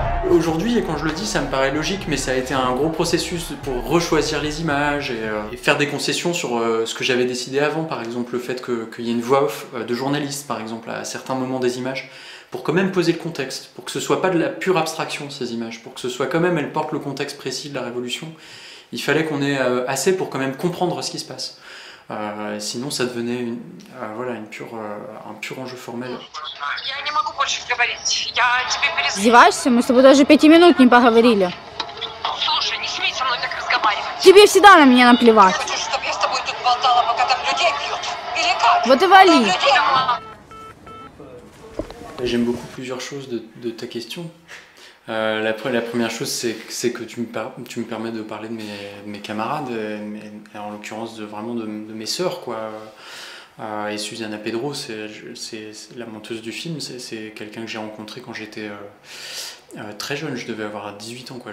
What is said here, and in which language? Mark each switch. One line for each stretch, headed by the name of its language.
French: Aujourd'hui, et quand je le dis, ça me paraît logique, mais ça a été un gros processus pour rechoisir les images et faire des concessions sur ce que j'avais décidé avant, par exemple le fait qu'il y ait une voix off de journaliste, par exemple, à certains moments des images, pour quand même poser le contexte, pour que ce soit pas de la pure abstraction, ces images, pour que ce soit quand même, elles portent le contexte précis de la Révolution. Il fallait qu'on ait assez pour quand même comprendre ce qui se passe. Sinon, ça devenait un pur enjeu formel.
Russian: Я не могу больше говорить. Я тебе перезвоню. Зеваешься? Мы с тобой даже 5 минут не поговорили. Слушай, не смей со мной так разговаривать. Тебе всегда на меня наплевать. Я хочу, чтобы я с тобой тут болтала, пока там людей бьют. Или как? Вот и вали.
French: J'aime beaucoup plusieurs choses de ta question. La première chose, c'est que tu me permets de parler de mes camarades, en l'occurrence de mes sœurs, quoi. Et Susanna Pedro, c'est la monteuse du film, c'est quelqu'un que j'ai rencontré quand j'étais très jeune, je devais avoir 18 ans, quoi.